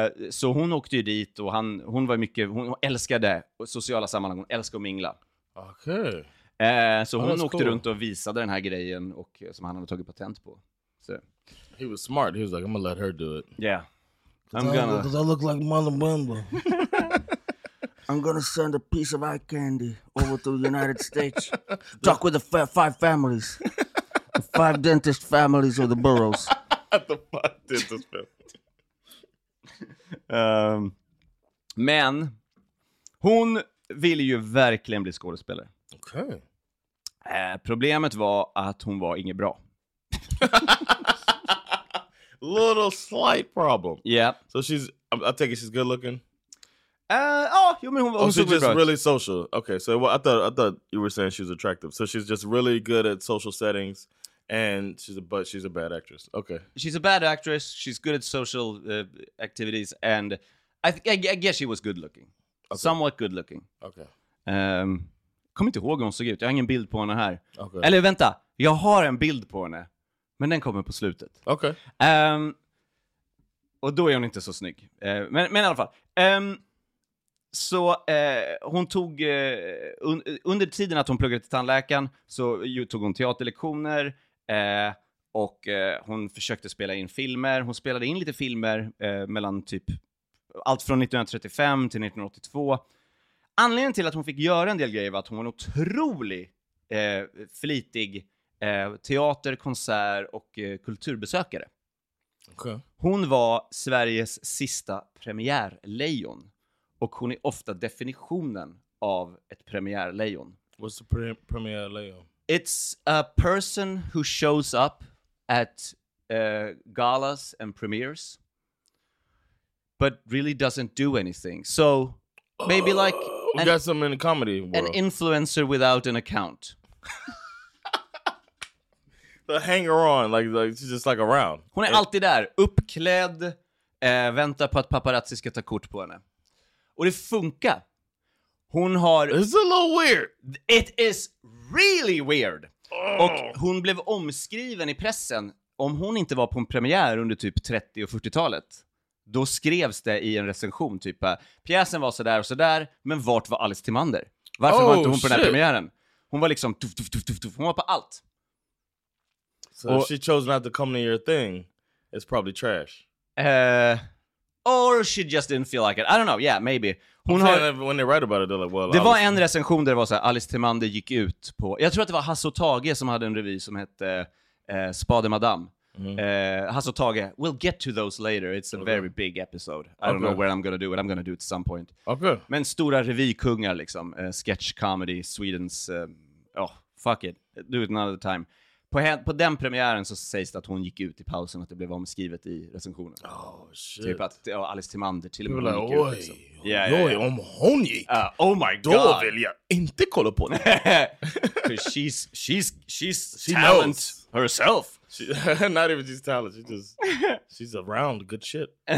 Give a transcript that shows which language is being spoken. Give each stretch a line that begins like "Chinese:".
Swedish: Så hon åkte ju dit och hon var mycket, hon älskade sociala sammanhang. Hon älskade att mingla.
English: Okay.
Swedish: Så hon åkte runt och visade den här grejen och som han hade tagit patent på. Så.
English: He was smart. He was like, I'm gonna let her do it. Yeah. Because I look like Marlon Brando. I'm gonna send a piece of eye candy over to the United States. Talk with the five families. The five dentist families of the boroughs. The five dentist families.
Swedish: Men, hon ville ju verkligen bli skådespelare. Okej. Okay. Problemet var att hon var inget bra.
English: Little slight problem. Yeah. So she's, I take it she's good looking?
Swedish: Hon
English: she's just gross. Really social. Okay, so well, I thought you were saying she's attractive. So she's just really good at social settings, and she's a bad actress. Okay. She's a bad actress. She's good at social activities, and I guess she was good looking. Okay. Somewhat good looking. Okay.
Swedish: Kom inte ihåg hur hon såg ut. Jag har ingen bild på henne här.
English: Okay.
Swedish: Eller vänta, jag har en bild på henne. Men den kommer på slutet.
English: Okay.
Swedish: Och då är hon inte så snygg. Men i alla fall. Så hon tog... under tiden att hon pluggade till tandläkaren så tog hon teaterlektioner. Och hon försökte spela in filmer. Hon spelade in lite filmer mellan typ... Allt från 1935 till 1982. Anledningen till att hon fick göra en del grejer var att hon var en otrolig flitig... teater, konsert och kulturbesökare.
English: Okay.
Swedish: Hon var Sveriges sista premiärlejon. Och hon är ofta definitionen av ett premiärlejon.
English: What's a premiärlejon? It's a person who shows up at galas and premieres. But really doesn't do anything. So maybe like... We got some in the comedy world. An influencer without an account. Hanger on, like she's just like around.
Swedish: Hon är alltid där, uppklädd, väntar på att paparazzi ska ta kort på henne. Och det funkar. Hon har...
English: It's a little weird. It is really weird.
Swedish: Och hon blev omskriven i pressen. Om hon inte var på en premiär under typ 30- och 40-talet, då skrevs det i en recension, typ pjäsen var sådär och sådär, men vart var Alice Timander? Varför var inte hon på den här premiären? Hon var liksom tuff, tuff, tuff, tuff, tuff. Hon var på allt.
English: So if she chose not to come to your thing, it's probably trash. Or she just didn't feel like it. I don't know. Yeah, maybe. When they write about it, they're like, well...
Swedish: Det var en recension där det var så här, Alice Timander gick ut på... Jag tror att det var Hasso Tage som hade en revy som hette Spade Madame. Mm.
English: Hasso Tage, we'll get to those later. It's a very big episode. I don't know where I'm gonna do it. I'm gonna do it at some point. Okay.
Swedish: Men stora revykungar liksom.
English: Sketch comedy, Sweden's... fuck it. Do it another time.
Swedish: På den premiären så sägs det att hon gick ut i pausen och att det blev omskrivet i recensionen.
English: Oh, shit.
Swedish: Typ att Alice Timander till och med gick ut. Liksom. Yeah. Om hon gick,
English: oh my
Swedish: då
English: god.
Swedish: Vill jag inte kolla på henne.
English: she's talent knows. Herself. She, not even she's talent, she just, she's around good shit.